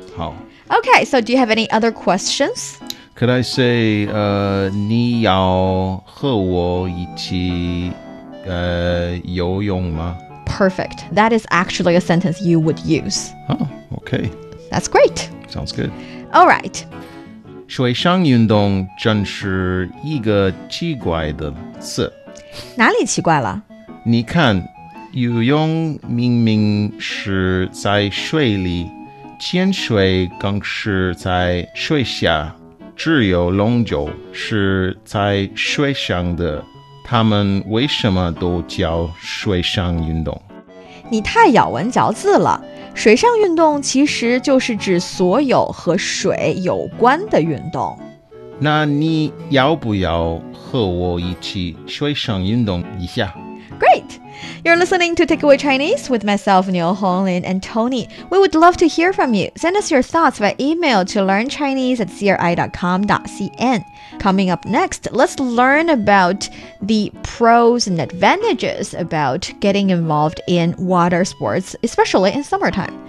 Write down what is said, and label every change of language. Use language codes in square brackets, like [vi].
[en] Oh. Okay, so do you have any other questions? Could I say, [zh] 你要和我一起游泳吗? [en] Perfect. That is actually a sentence you would use. Oh, okay. That's great. Sounds good. All right. [zh] 水上运动真是一个奇怪的词。哪里奇怪了？你看，游泳明明是在水里，潜水更是在水下，只有龙舟是在水上的。他们为什么都叫水上运动？你太咬文嚼字了。水上运动其实就是指所有和水有关的运动。那你要不要和我一起水上运动一下? [en] Great! You're listening to Takeaway Chinese with myself, Niu Honglin and Tony. We would love to hear from you. Send us your thoughts by email to learnchinese@cri.com.cn. Coming up next, let's learn about the pros and advantages about getting involved in water sports, especially in summertime.